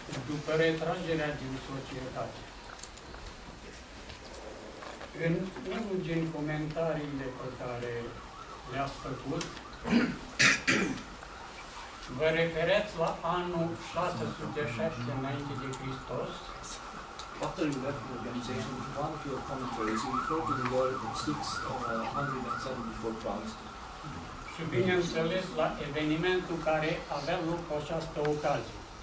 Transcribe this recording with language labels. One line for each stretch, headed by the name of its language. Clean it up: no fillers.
Romanian: După retrangerea din societate, în unul din comentariile pe care le-ați făcut, vă referiți la anul 606 înainte de Hristos.
English: After you left the organization, one of your commentaries referred to the year 607 before Christ.
Romanian: Și bineînțeles la evenimentul care avea loc pe această ocazie.